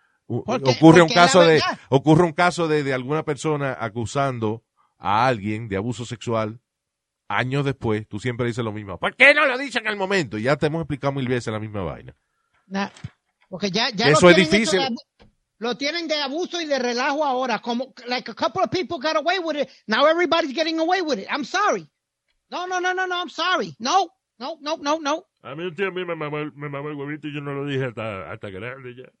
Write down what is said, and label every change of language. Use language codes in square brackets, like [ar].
[es] ocurre un caso de alguna persona acusando a alguien de abuso sexual años después. Tú siempre dices lo mismo. ¿Por qué no lo dices en el momento? Ya te hemos explicado mil veces la misma vaina. Porque ya eso es difícil. Lo tienen de abuso y de relajo ahora. [en] Como, like a couple of people got away with it. Now everybody's getting away with it. I'm sorry. No, I'm sorry. No. [es] A mí un tío a mí me mamó el huevito y yo no lo dije hasta grande ya.